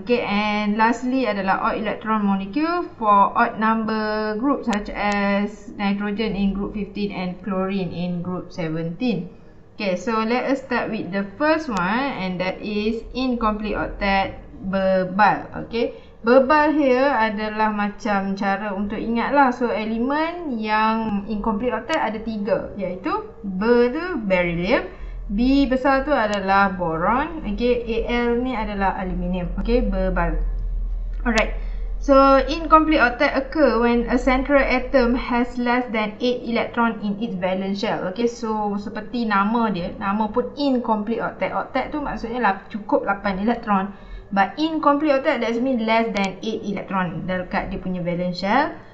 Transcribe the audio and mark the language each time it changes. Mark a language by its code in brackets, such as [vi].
[en] Okay, and lastly adalah odd electron molecule for odd number group, such as nitrogen in group 15 and chlorine in group 17. Okay, so let us start with the first one, and that is incomplete octet [ms] bebal. Okay, bebal here adalah macam cara untuk ingat lah. So, elemen yang incomplete octet ada tiga, iaitu beryllium. B besar tu adalah boron. Okay, Al ni adalah aluminium. Okay, bebal. [en] Alright, so incomplete octet occur when a central atom has less than 8 electron in its valence shell. [ms] Okay, so seperti nama dia, nama pun incomplete octet. Octet tu maksudnya lah cukup 8 electron. [en] But incomplete octet, that means less than 8 electron [ms] dekat dia punya [en] valence shell.